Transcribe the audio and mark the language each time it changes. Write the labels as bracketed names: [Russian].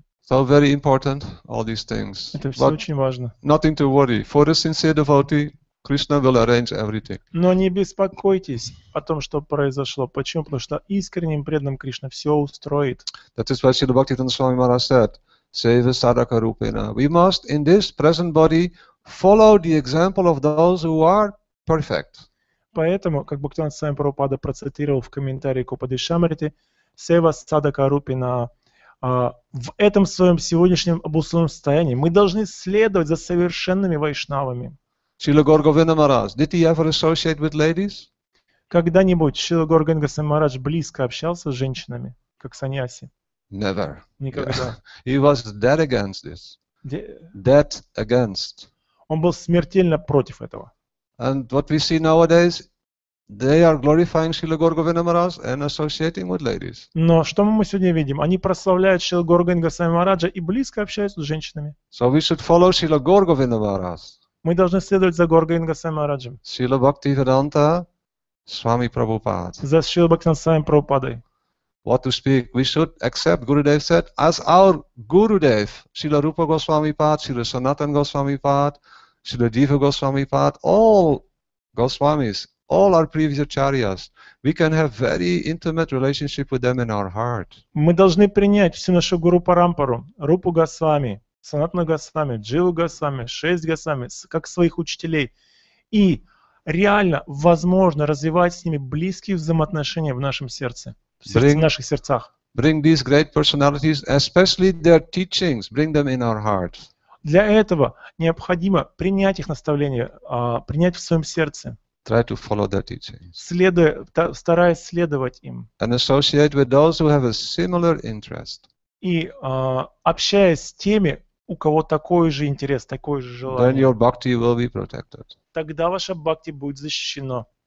[English] So very important all these things. [Russian] Это все очень важно. [English] Nothing to worry. For a sincere devotee, Krishna will arrange everything. [Russian] Но не беспокойтесь о том, что произошло. Почему? Потому что искренним преданным Кришна все устроит. [English] That is why Srila Bhaktivedanta Swami Maharaj said, [Sanskrit] "Seva sadaka rupena." [English] We must, in this present body, follow the example of those who are perfect. [Russian] Поэтому, как Бхактивинода Свами Прабхупада процитировал в комментарии к Упанишадам, [Sanskrit] "Seva sadaka rupena." [Russian] В этом своем сегодняшнем обусловленном состоянии мы должны следовать за совершенными вайшнавами. [English] Шрила Гаура Говинда Махарадж, did he ever associate with ladies? [Russian] Когда-нибудь Шрила Гаура Говинда Махарадж близко общался с женщинами, как саньяси? [English] Never. [Russian] Никогда. [English] Yeah. He was dead against this. Dead against. [Russian] Он был смертельно против этого. [English] And what we see nowadays, they are glorifying Srila Gaura Govinda Maharaj and associating with ladies. [Russian] Но что мы сегодня видим? Они прославляют Шрила Гаура Говинда Свами Махараджа и близко общаются с женщинами. [English] So we should follow Srila Gaura Govinda Maharaj. [Russian] Мы должны следовать за Гаура Говинда Свами Махараджем. [English] Srila Bhaktivedanta Swami Prabhupada. [Russian] За Шрила Бхактивинода Свами Прабхупадой. [English] What to speak? We should accept, Gurudev said, as our Gurudev, Srila Rupa Goswami Pad, Srila Sanatana Goswami Pad, Srila Diva Goswami Pad, all Goswamis. All our previous acharyas, we can have very intimate relationship with them in our heart. [Russian] Мы должны принять всю нашу гуру парампару, Рупу Госвами, Санатану Госвами, Дживу Госвами, Шесть Госвами как своих учителей и реально возможно развивать с ними близкие взаимоотношения в нашем сердце, в наших сердцах. [English] Bring these great personalities, especially their teachings, bring them in our hearts. [Russian] Для этого необходимо принять их наставления, принять в своем сердце. [English] Try to follow their teachings. [Russian] Стараясь следовать им. [English] And associate with those who have a similar interest. [Russian] И общаясь с теми, у кого такой же интерес, такое же желание, [English] then your bhakti will be protected. [Russian] Тогда ваша бхакти будет защищена.